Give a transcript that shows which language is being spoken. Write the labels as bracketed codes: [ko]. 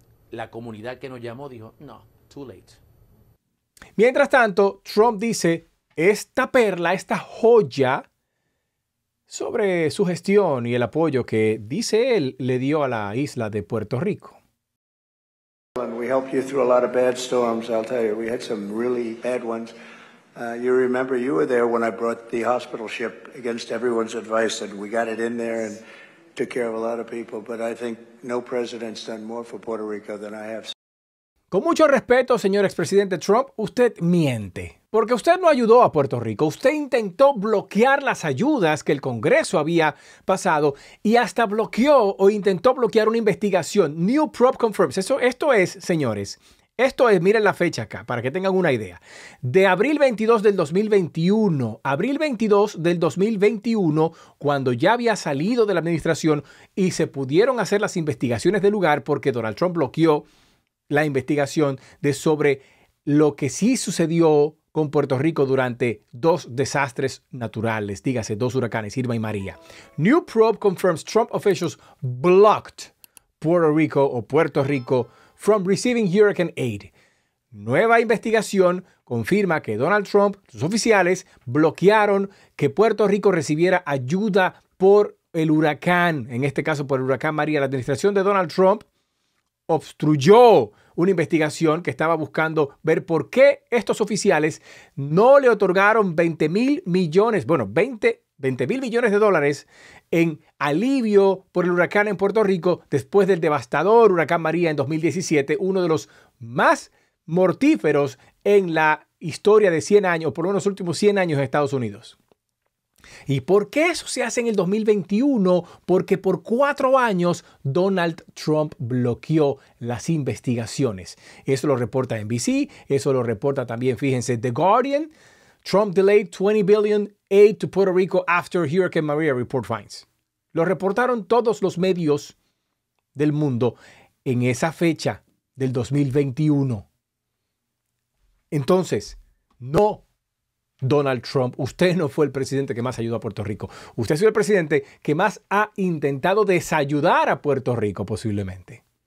[es] La comunidad que nos llamó dijo, no, [en] too late. [es] Mientras tanto, Trump dice, esta perla, esta joya, sobre su gestión y el apoyo que, dice él, le dio a la isla de Puerto Rico. [en] We helped you through a lot of bad storms, I'll tell you. We had some really bad ones. You remember you were there when I brought the hospital ship against everyone's advice, and we got it in there and took care of a lot of people. But I think no president's done more for Puerto Rico than I have. [es] Con mucho respeto, señor expresidente Trump, usted miente. Porque usted no ayudó a Puerto Rico. Usted intentó bloquear las ayudas que el Congreso había pasado y hasta bloqueó o intentó bloquear una investigación. [en] New Prop Confirms. [es] Esto es, señores, esto es, miren la fecha acá para que tengan una idea. De abril 22 del 2021, abril 22 del 2021, cuando ya había salido de la administración y se pudieron hacer las investigaciones del lugar porque Donald Trump bloqueó la investigación de sobre lo que sí sucedió con Puerto Rico durante dos desastres naturales, dígase dos huracanes, Irma y María. [en] New probe confirms Trump officials blocked Puerto Rico o Puerto Rico from receiving hurricane aid. [es] Nueva investigación confirma que Donald Trump, sus oficiales, bloquearon que Puerto Rico recibiera ayuda por el huracán, en este caso por el huracán María. La administración de Donald Trump obstruyó una investigación que estaba buscando ver por qué estos oficiales no le otorgaron 20 mil millones, bueno, 20 $20 billion en alivio por el huracán en Puerto Rico después del devastador huracán María en 2017, uno de los más mortíferos en la historia de 100 años, por lo menos los últimos 100 años de Estados Unidos. ¿Y por qué eso se hace en el 2021? Porque por 4 años Donald Trump bloqueó las investigaciones. Eso lo reporta NBC, eso lo reporta también, fíjense, The Guardian. [en] Trump delayed $20 billion aid to Puerto Rico after Hurricane Maria report finds. [es] Lo reportaron todos los medios del mundo en esa fecha del 2021. Entonces, no, Donald Trump, usted no fue el presidente que más ayudó a Puerto Rico. Usted ha sido el presidente que más ha intentado desayudar a Puerto Rico, posiblemente.